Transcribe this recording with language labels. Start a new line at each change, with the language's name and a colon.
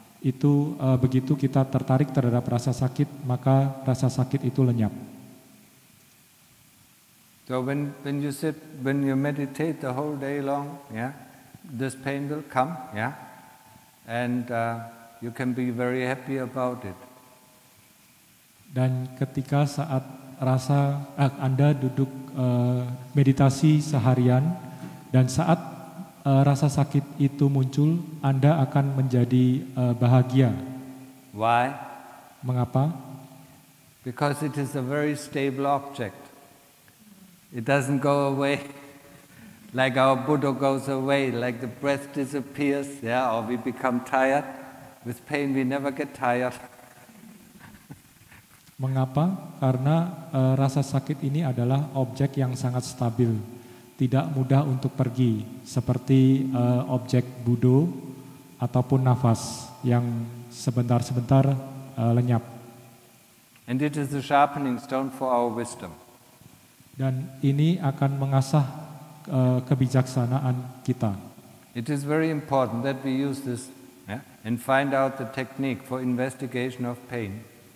Indonesian: Itu begitu kita tertarik terhadap rasa sakit, maka rasa sakit itu lenyap.
English: So when you sit, when you meditate the whole day long, yeah, this pain will come, yeah, and you can be very happy about it.
Indonesian: Dan ketika saat rasa Anda duduk meditasi seharian dan saat rasa sakit itu muncul, Anda akan menjadi bahagia.
English: Why?
Indonesian: Mengapa?
English: Because it is a very stable object. It doesn't go away like our Buddha goes away, like the breath disappears, yeah, or we become tired. With pain we never get tired.
Indonesian: Mengapa? Karena rasa sakit ini adalah objek yang sangat stabil, tidak mudah untuk pergi, seperti objek budo ataupun nafas yang sebentar-sebentar lenyap.
English: And it is the sharpening stone for our wisdom.
Indonesian: Dan ini akan mengasah kebijaksanaan kita.
English: It is very important that we use this, yeah, and find out the technique for investigation of pain.